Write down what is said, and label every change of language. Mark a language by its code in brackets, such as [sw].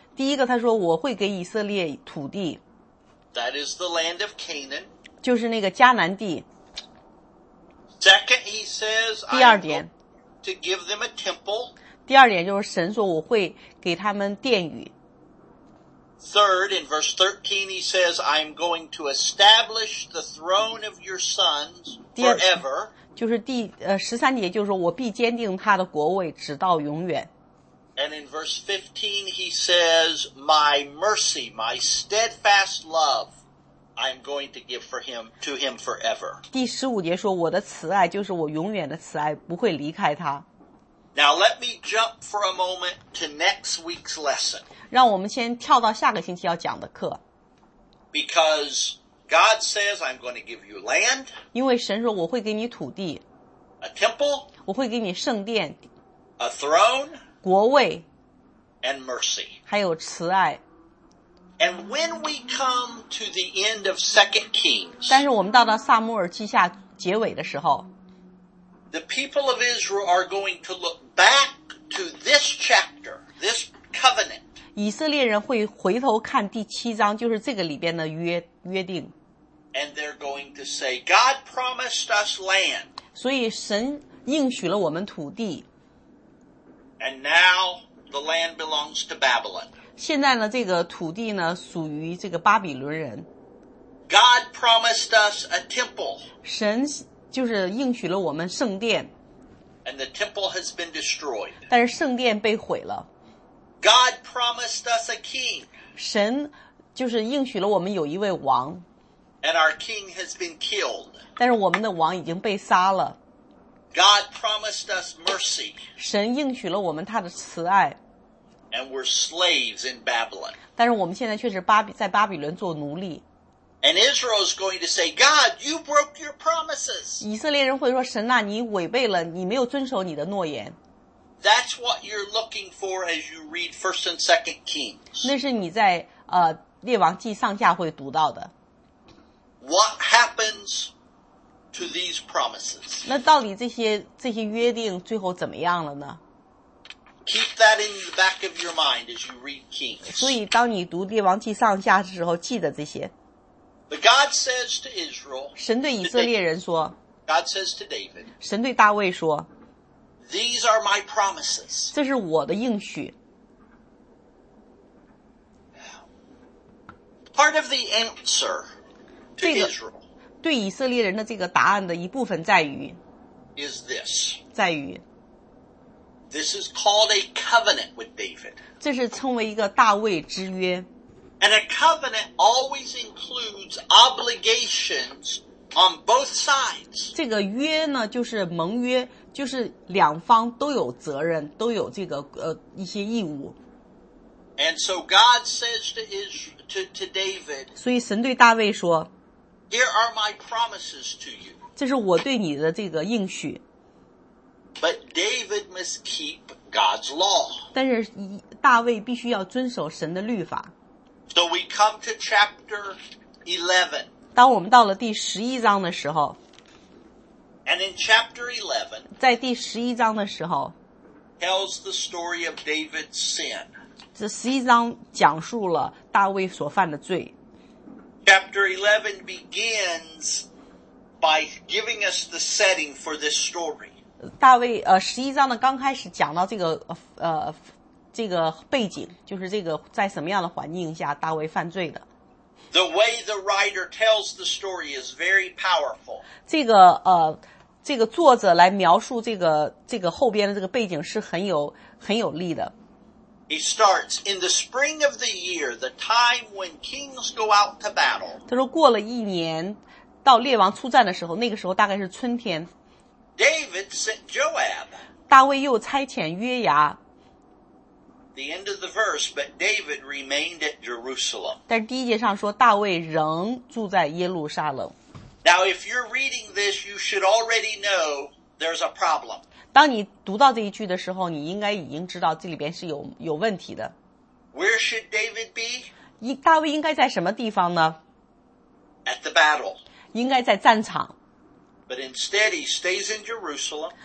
[zh] 第一个他说我会给以色列土地。 [en] That is the land of Canaan. [zh] 就是那个迦南地。 [en] Second he says, [zh] 第二点。 [en] To give them a temple. [zh] 第二点就是神说我会给他们殿宇。 [en] Third, in verse 13, he says, I'm going to establish the throne of your sons forever. [zh] 就是十三节就是说我必坚定他的国位直到永远。 [en] And in verse 15, he says, my mercy, my steadfast love. I'm going to give to him forever. [zh] 第十五节说我的慈爱就是我永远的慈爱不会离开他。 [en] Now let me jump for a moment to next week's lesson. [zh] 让我们先跳到下个星期要讲的课。 [en] Because God says I'm going to give you land. [zh] 因为神说我会给你土地。 [en] A temple. [zh] 我会给你圣殿。 [en] A throne. [zh] 国位。 [en] And mercy. [zh] 还有慈爱。 [en] And when we come to the end of 2 Kings, [zh] 但是我们到撒母耳记下结尾的时候 [en] the people of Israel are going to look back to this chapter, this covenant. [zh] 以色列人会回头看第七章，就是这个里边的约定。 [en] And they're going to say, God promised us land. [zh] 所以神应许了我们土地。 [en] And now the land belongs to Babylon. [zh] 现在呢这个土地呢属于这个巴比伦人。 [en] God promised us a temple. [zh] 神就是应许了我们圣殿。 [en] And the temple has been destroyed. [zh] 但是圣殿被毁了。 [en] God promised us a king. [zh] 神就是应许了我们有一位王。 [en] And our king has been killed. [zh] 但是我们的王已经被杀了。 [en] God promised us mercy. [zh] 神应许了我们他的慈爱。 [en] And we're slaves in Babylon. [zh] 但是我们现在却是巴比在巴比伦做奴隶。 [en] And Israel is going to say, God, you broke your promises. [zh] 以色列人会说，神啊，你违背了，你没有遵守你的诺言。 [en] That's what you're looking for as you read 1st and 2nd Kings. [zh] 那是你在列王记上下会读到的。 [en] What happens to these promises? [zh] 那到底这些约定最后怎么样了呢？ [en] Keep that in the back of your mind as you read Kings. [zh] 所以当你读列王记上下的时候记得这些。 [en] The God says to Israel, [zh] 神对以色列人说， [en] God says to David, [zh] 神对大卫说， [en] These are my promises. [zh] 这是我的应许。 [en] Part of the answer to Israel, [zh] 对以色列人的这个答案的一部分在于， [en] is this, [zh] 在于， [en] This is called a covenant with David. [zh] 这是称为一个大卫之约。 [en] And a covenant always includes obligations on both sides. [zh] 这个约呢，就是盟约，就是两方都有责任，都有这个一些义务。 [en] And so God says to David. [zh] 所以神对大卫说， [en] Here are my promises to you. [zh] 这是我对你的这个应许。 [en] But David must keep God's law. [zh] 但是大卫必须要遵守神的律法。 [en] So we come to chapter 11. [zh] 当我们到了第十一章的时候， [en] and in chapter 11, [zh] 在第十一章的时候， [en] tells the story of David's sin. [zh] 这十一章讲述了大卫所犯的罪。 [en] Chapter 11 begins by giving us the setting for this story. [zh] 大卫十一章呢刚开始讲到这个背景，就是这个在什么样的环境下大卫犯罪的。 [en] The way the writer tells the story is very powerful. [zh] 这个作者来描述这个后边的这个背景是很有力的。 [en] He starts in the spring of the year, the time when kings go out to battle. [zh] 他说过了一年，到列王出战的时候，那个时候大概是春天。 [en] David sent Joab. [zh] 大卫又差遣约牙。 [en] The end of the verse, but David remained at Jerusalem. [zh] 但第一节上说大卫仍住在耶路撒冷。 [en] Now, if you're reading this, you should already know there's a problem. [zh] 当你读到这一句的时候，你应该已经知道这里边是有问题的。 [en] Where should David be? [zh] 大卫应该在什么地方呢？ [en] At the battle. [zh] 应该在战场。 [en] But instead, he stays in Jerusalem.